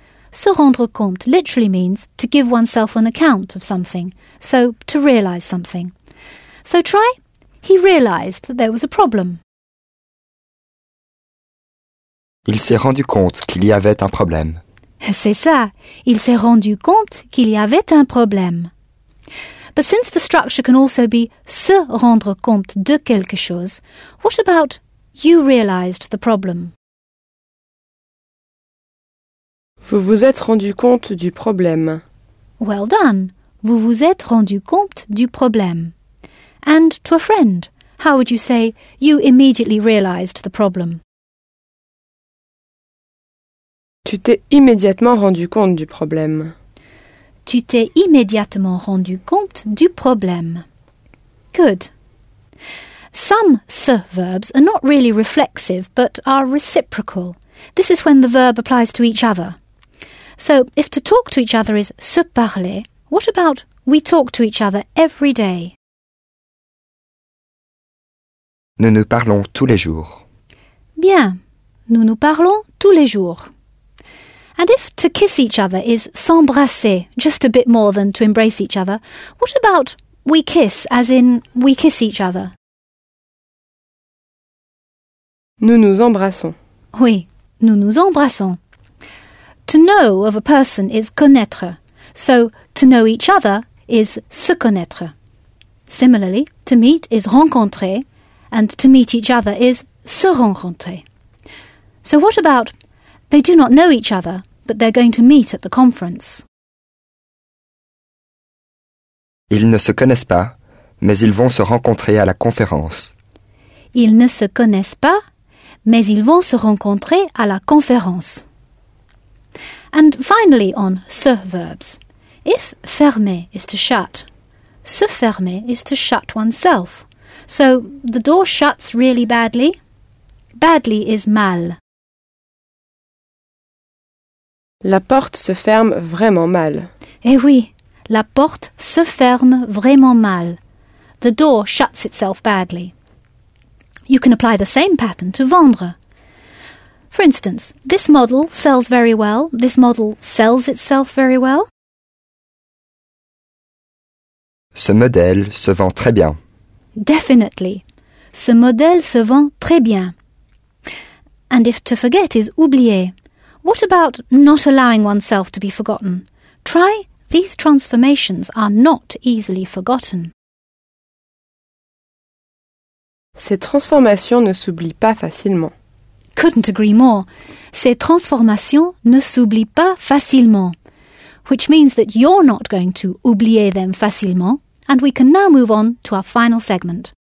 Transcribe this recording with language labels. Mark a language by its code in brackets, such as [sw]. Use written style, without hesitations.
[fr] Se rendre compte [en] literally means to give oneself an account of something, so to realize something. So try... He realized that there was a problem. [fr] Il s'est rendu compte qu'il y avait un problème. C'est ça. Il s'est rendu compte qu'il y avait un problème. [en] But since the structure can also be [fr] se rendre compte de quelque chose, [en] what about you realized the problem? [fr] Vous vous êtes rendu compte du problème. [en] Well done. [fr] Vous vous êtes rendu compte du problème. [en] And to a friend, how would you say, you immediately realized the problem? [fr] Tu t'es immédiatement rendu compte du problème. Tu t'es immédiatement rendu compte du problème. [en] Good. Some se verbs are not really reflexive, but are reciprocal. This is when the verb applies to each other. So, if to talk to each other is [fr] se parler, [en] what about we talk to each other every day? [fr] Nous nous parlons tous les jours. Bien. Nous nous parlons tous les jours. [en] And if to kiss each other is [fr] s'embrasser, [en] just a bit more than to embrace each other, what about we kiss, as in we kiss each other? [fr] Nous nous embrassons. Oui. Nous nous embrassons. [en] To know of a person is connaître. So, to know each other is [fr] se connaître. [en] Similarly, to meet is rencontrer, and to meet each other is [fr] se rencontrer. [en] So what about, they do not know each other, but they're going to meet at the conference? [fr] Ils ne se connaissent pas, mais ils vont se rencontrer à la conférence. Ils ne se connaissent pas, mais ils vont se rencontrer à la conférence. [en] And finally, on se verbs. If fermer is to shut, [fr] se fermer [en] is to shut oneself. So, the door shuts really badly. Badly is mal. [fr] La porte se ferme vraiment mal. Eh oui, la porte se ferme vraiment mal. [en] The door shuts itself badly. You can apply the same pattern to vendre. For instance, this model sells very well. This model sells itself very well. [fr] Ce modèle se vend très bien. [en] Definitely. [fr] Ce modèle se vend très bien. [en] And if to forget is oublier, what about not allowing oneself to be forgotten? Try, these transformations are not easily forgotten. [fr] Ces transformations ne s'oublient pas facilement. [en] Couldn't agree more. [fr] Ces transformations ne s'oublient pas facilement. [en] Which means that you're not going to oublier them facilement. And we can now move on to our final segment.